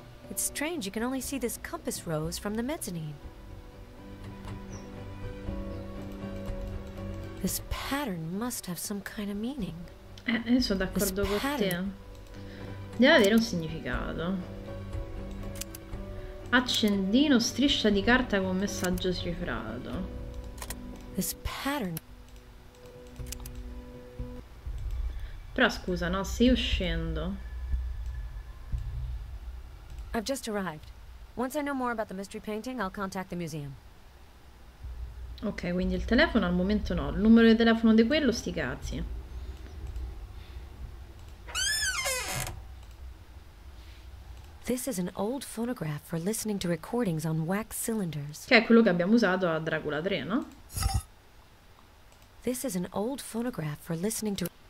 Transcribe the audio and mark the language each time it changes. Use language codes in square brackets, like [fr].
[en] It's strange you can only see this compass rose from the mezzanine. This pattern must have some kind of meaning. [it] Sono d'accordo con te. Deve avere un significato. Accendino, striscia di carta con messaggio cifrato. [en] This pattern. [it] Però scusa, no, se io scendo. [en] I've just arrived. Once I know more about the mystery painting, I'll contact the museum. [it] Ok, quindi il telefono al momento no. Il numero di telefono di quello, sti cazzi. [en] This is an old phonograph for listening to recordings on wax cylinders. [it] Che è quello che abbiamo usato a Dracula 3, no? [en] This is an old phonograph for listening to.